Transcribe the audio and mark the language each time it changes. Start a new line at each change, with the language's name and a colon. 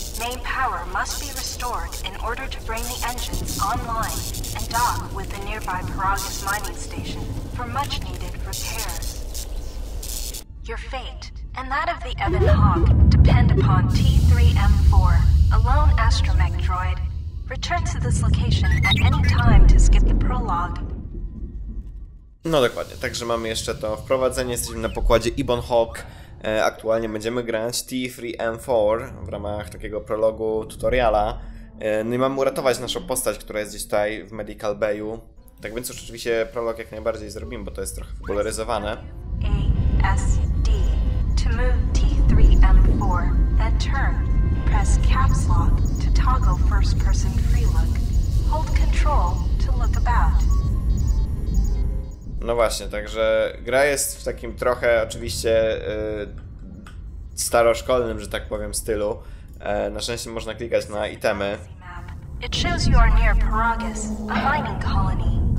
English: Main power must be restored in order to bring the engines online and dock with the nearby Paragus mining station for much needed repairs. Your fate and that of the Ebon Hawk depend upon T3M4, a lone astromech droid. Return to this location at any time to skip the prologue.
Polish: No dokładnie, także mamy jeszcze to wprowadzenie, jesteśmy na pokładzie Ebon Hawk. Aktualnie będziemy grać T3M4 w ramach takiego prologu tutoriala. No i mamy uratować naszą postać, która jest gdzieś tutaj w Medical Bayu. Tak więc już oczywiście prolog jak najbardziej zrobimy, bo to jest trochę popularyzowane.
English: ASD to move T3M4, then turn. Press caps lock to toggle first person free look. Hold control to look about.
Polish: No właśnie, także gra jest w takim trochę oczywiście staroszkolnym, że tak powiem, stylu. Na szczęście można klikać na itemy.
English: It shows you are near Paragus, a mining colony.